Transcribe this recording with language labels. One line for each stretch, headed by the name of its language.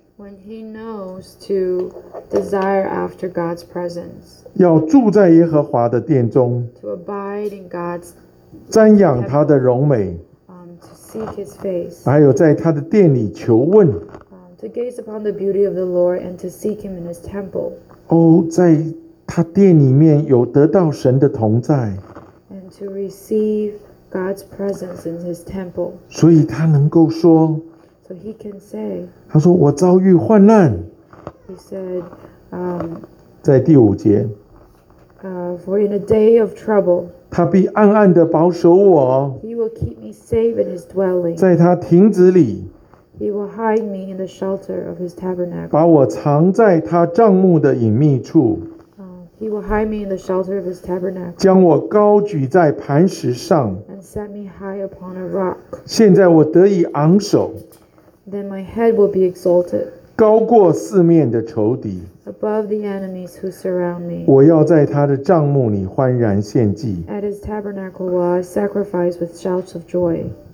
English: When he knows to desire after God's presence,
Chinese: 要住在耶和华的殿中，
English: to abide in God's,
Chinese: 瞻仰他的荣美。
English: Seek his face,
Chinese: 还有在他的殿里求问。
English: To gaze upon the beauty of the Lord and to seek him in his temple.
Chinese: 在他殿里面有得到神的同在。
English: And to receive God's presence in his temple.
Chinese: 所以他能够说。
English: So he can say.
Chinese: 他说我遭遇患难。
English: He said,
Chinese: 在第五节。
English: For in a day of trouble.
Chinese: 他必暗暗地保守我。
English: He will keep me safe in his dwelling.
Chinese: 在他亭子里。
English: He will hide me in the shelter of his tabernacle.
Chinese: 把我藏在他帐幕的隐秘处。
English: He will hide me in the shelter of his tabernacle.
Chinese: 将我高举在磐石上。
English: And set me high upon a rock.
Chinese: 现在我得以昂首。
English: Then my head will be exalted.
Chinese: 高过四面的仇敌。
English: Above the enemies who surround me,
Chinese: 我要在他的帐幕里欢然献祭。
English: At his tabernacle, will I sacrifice with shouts of joy.